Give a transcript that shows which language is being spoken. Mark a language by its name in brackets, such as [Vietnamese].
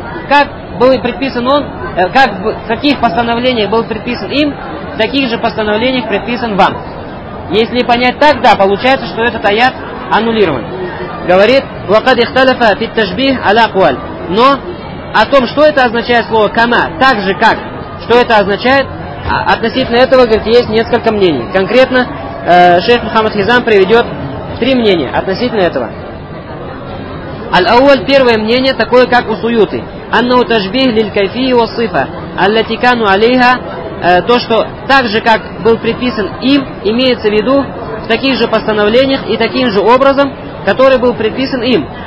[Russian] Как был предписан он, как в каких постановлениях был предписан им, таких же постановлениях предписан вам. Если понять так, да, получается, что этот аят аннулирован. Говорит, [Arabic] وَقَدْ اِخْتَلَفَ فِي التَّشْبِيهِ عَلَى قُوَالِ. [Russian] Но о том, что это означает слово «кама», так же как, что это означает, относительно этого, говорит, есть несколько мнений. Конкретно шейх Мухаммад Хизам приведет три мнения относительно этого. Аль-Ауаль, первое мнение такое, как у Суюты. [Arabic] Аннау ташбих лиль кайфии ва сифа, аллатикану алейха, [Russian] то, что так же, как был предписан им, имеется в виду в таких же постановлениях и таким же образом, который был предписан им.